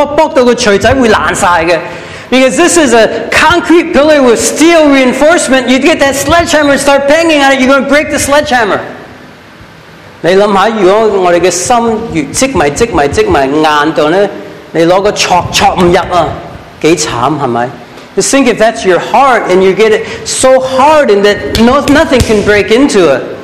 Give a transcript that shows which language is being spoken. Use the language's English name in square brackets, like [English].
[Cantonese] 因為這個是裡面有鋼筋，是石屎的，不是磚牆，你搏到個錘仔會爛掉的。 [English] Because this is a concrete pillar with steel reinforcement, you get that sledgehammer and start banging on it, you're going to break the sledgehammer. [Cantonese] 你想想，如果我們的心越積埋積埋積埋硬到呢，你拿個鑿鑿不入啊，多慘，是不是？ [English] Just think if that's your heart and you get it so hard and that nothing can break into it.